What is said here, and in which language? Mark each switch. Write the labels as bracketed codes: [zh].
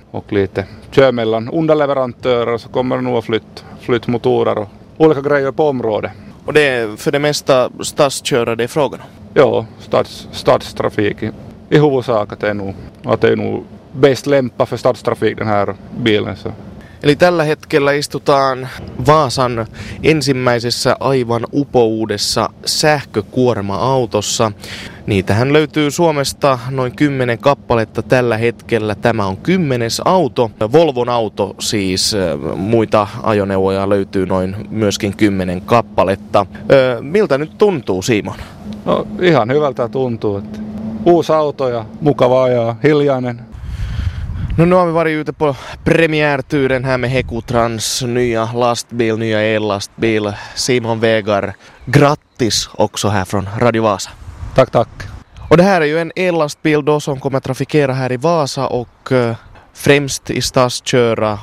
[sv] Och lite kör mellan underleverantörer. Så kommer nog att flytta motorer och olika grejer på området. Och det är för det mesta stadskörare det är frågan? Jo, stadstrafik i huvudsak. Att det är nog bäst lämpa för stadstrafik den här bilen så. [fi] Eli tällä hetkellä istutaan Vaasan ensimmäisessä aivan upouudessa sähkökuorma-autossa. Niitähän löytyy Suomesta noin 10 kappaletta tällä hetkellä. Tämä on 10. auto. Volvon auto siis. Muita ajoneuvoja löytyy noin myöskin 10 kappaletta. Miltä nyt tuntuu, Simon? Ihan hyvältä tuntuu. Että uusi auto ja mukava ajaa, hiljainen. [sv] Nu har vi varit ute på premiärturen här med Heku Trans nya lastbil, nya el-lastbil. Simon Vegar, grattis också här från Radio Vasa. Tack, tack. Och det här är ju en ellastbil då som kommer trafikera här i Vasa och främst i stadsköra.